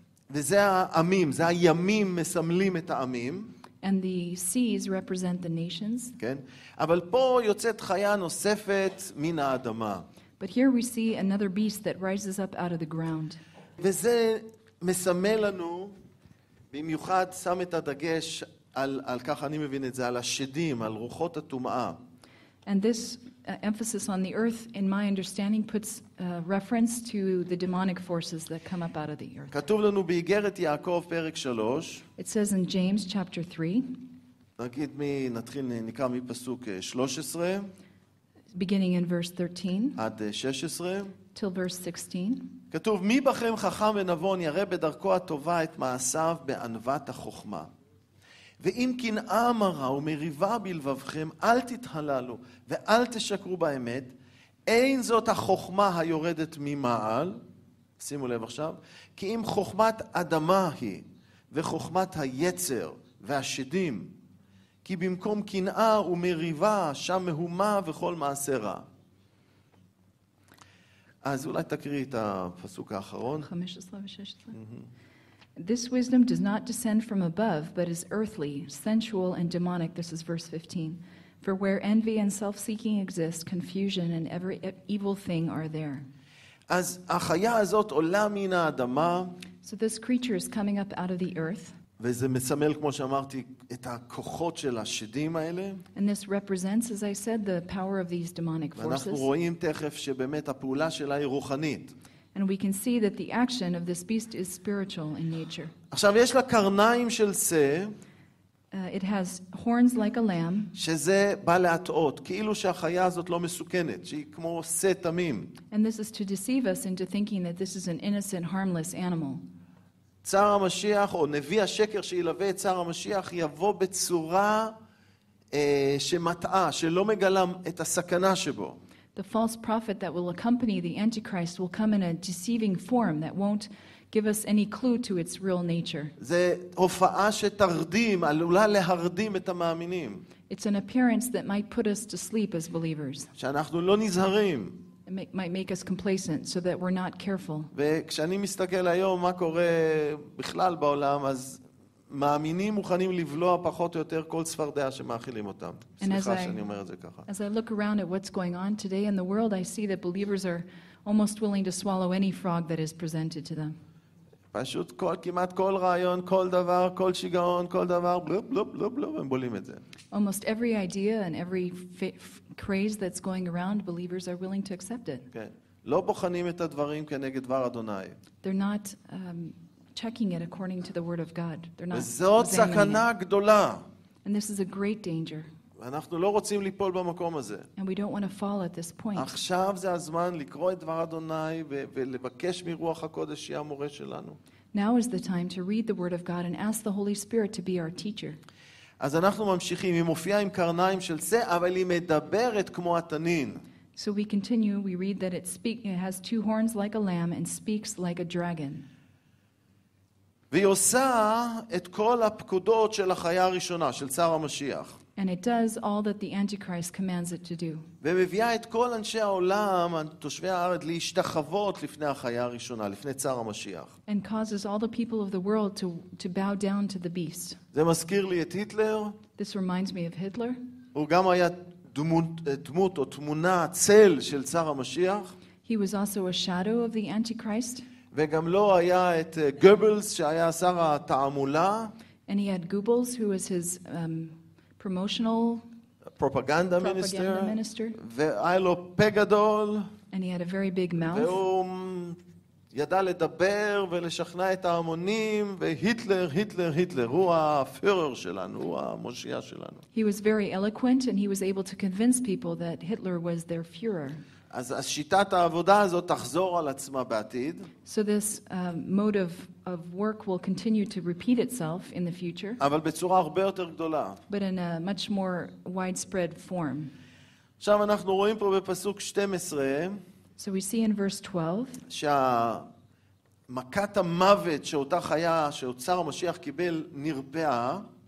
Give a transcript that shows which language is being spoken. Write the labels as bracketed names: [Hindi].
[Hebrew] וזה העמים, זה הימים מסמלים את העמים. [English] And the seas represent the nations. [Hebrew] כן. אבל פה יוצאת חיה נוספת מן האדמה. [English] But here we see another beast that rises up out of the ground. [Hebrew] וזה מסמל לנו במיוחד שם את הדגש על כך אני מבין את זה על השדים, על רוחות הטומאה. [English] And this emphasis on the earth in my understanding puts reference to the demonic forces that come up out of the earth. [Hebrew] כתוב לנו באיגרת יעקב פרק 3. [English] It says in James chapter 3. [Hebrew] נגיד נתחיל נקרא מפסוק 13. [English] Beginning in verse 13. [Hebrew] עד 16. [English] Till verse 16. [Hebrew] כתוב מי בכם חכם ונבון ירא בדרכו הטובה את מעשיו בענוות החוכמה. ואם קנאה מרה ומריבה בלבבכם, אל תתהללו ואל תשקרו באמת, אין זאת החוכמה היורדת ממעל, שימו לב עכשיו, כי אם חוכמת אדמה היא, וחוכמת היצר והשדים, כי במקום קנאה ומריבה, שם מהומה וכל מעשה רע. אז אולי תקריא את הפסוק האחרון. 15 ו-16. [English] This wisdom does not descend from above, but is earthly, sensual, and demonic. This is verse 15. For where envy and self-seeking exist, confusion and every evil thing are there. [Hebrew] אז החיה הזאת עולה מן האדמה. [English] So this creature is coming up out of the earth. [Hebrew] וזה מסמל, כמו שאמרתי, את הכוחות של השדים האלה. [English] And this represents, as I said, the power of these demonic forces. [Hebrew] ואנחנו רואים תכף שבאמת הפעולה שלה היא רוחנית. [English] And we can see that the action of this beast is spiritual in nature. [Hebrew] עכשיו יש לה קרניים של שה. [English] It has horns like a lamb. [Hebrew] שזה בא להטעות, כאילו שהחיה הזאת לא מסוכנת, שהיא כמו שה תמים. [English] And this is to deceive us into thinking that this is an innocent, harmless animal. [Hebrew] צר המשיח או נביא השקר שילווה את צר המשיח יבוא בצורה שמטעה, שלא מגלה את הסכנה שבו. [English] The false prophet that will accompany the Antichrist will come in a deceiving form that won't give us any clue to its real nature. [Hebrew] זה הופעה שתרדים, עלולה להרדים את המאמינים. [English] It's an appearance that might put us to sleep as believers. [Hebrew] שאנחנו לא נזהרים. [English] It might make us complacent so that we're not careful. [Hebrew] וכשאני מסתכל היום מה קורה בכלל בעולם, אז מאמינים מוכנים לבלוע פחות או יותר כל ספרדיה שמאכילים אותם. סליחה שאני אומר את זה ככה. [English] As I look around at what's going on today in the world, I see that believers are almost willing to swallow any frog that is presented to them. [Hebrew] פשוט כמעט כל רעיון, כל דבר, כל שיגעון, כל דבר, בלופ, בלופ, בלופ, בלופ, הם בולים את זה. [English] Almost every idea and every craze that's going around, believers are willing to accept it. [Hebrew] כן. לא בוחנים את הדברים כנגד דבר אדוני. [English] They're not checking it according to the word of God. They're not. [Hebrew] זאת סכנה גדולה. [English] And this is a great danger. [Hebrew] אנחנו לא רוצים ליפול במקום הזה. [English] And we don't want to fall at this point. [Hebrew] עכשיו זה הזמן לקרוא את דבר אדוני ולבקש מרוח הקודש שיהיה המורה שלנו. [English] Now is the time to read the word of God and ask the Holy Spirit to be our teacher. [Hebrew] אז אנחנו ממשיכים, היא מופיעה עם קרניים של שה, אבל היא מדברת כמו התנין. [English] So we continue, we read that it has two horns like a lamb and speaks like a dragon. [Hebrew] והיא עושה את כל הפקודות של החיה הראשונה, של צר המשיח. [English] And it does all that the Antichrist commands it to do. [Hebrew] ומביאה את כל אנשי העולם, תושבי הארץ, להשתחוות לפני החיה הראשונה, לפני צר המשיח. [English] And causes all the people of the world to bow down to the beast. [Hebrew] זה מזכיר לי את היטלר. [English] This reminds me of Hitler. [Hebrew] הוא גם היה דמות או תמונה, צל של צר המשיח. [English] He was also a shadow of the Antichrist. [Hebrew] וגם לו היה את גובלס, שהיה שר התעמולה. [English] And he had Goebbels, who was his... promotional propaganda minister, minister. [Hebrew] והיה לו פה גדול, [English] and he had a very big mouth. [Hebrew] והוא ידע לדבר ולשכנע את ההמונים, והיטלר, היטלר, היטלר, הוא הפיורר שלנו, הוא המושיע שלנו. [English] He was very eloquent and he was able to convince people that Hitler was their Führer. [Hebrew] אז שיטת העבודה הזאת תחזור על עצמה בעתיד. [English] So this mode of work will continue to repeat itself in the future. [Hebrew] אבל בצורה הרבה יותר גדולה. [English] But in a much more widespread form. [Hebrew] עכשיו אנחנו רואים פה בפסוק 12. [English] So we see in verse 12. [Hebrew] שמכת המוות שאותה חיה שאוצר המשיח קיבל נרפאה.